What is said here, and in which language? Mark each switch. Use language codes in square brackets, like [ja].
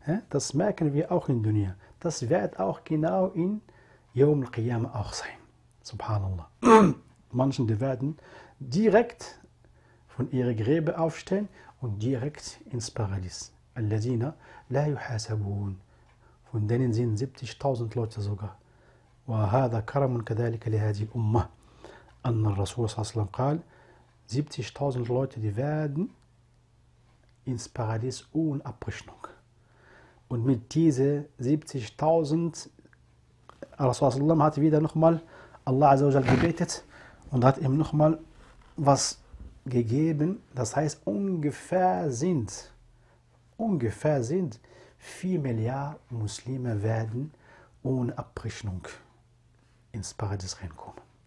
[de] Das merken wir auch in Dunya. Das wird auch genau in Yawm al-Qiyam auch sein. Subhanallah. Manche, die werden direkt von ihrer Gräbe aufstehen und direkt ins Paradies. [ar] Al-Ladina la yuhasabun. [de] Von denen sind 70.000 Leute sogar. [ar] وهذا كرم كذلك لهذه الأمة أن الرسول صلى الله عليه وسلم قال [de] 70.000 Leute, die werden ins Paradies ohne Abrechnung. Und mit diese 70.000 [ar] الرسول صلى الله عليه وسلم [de] hat wieder nochmal Allah عز وجل gebetet und hat ihm nochmal was gegeben. Das heißt, ungefähr sind 4 Milliarden Muslime werden ohne Abrechnung ins Paradies reinkommen.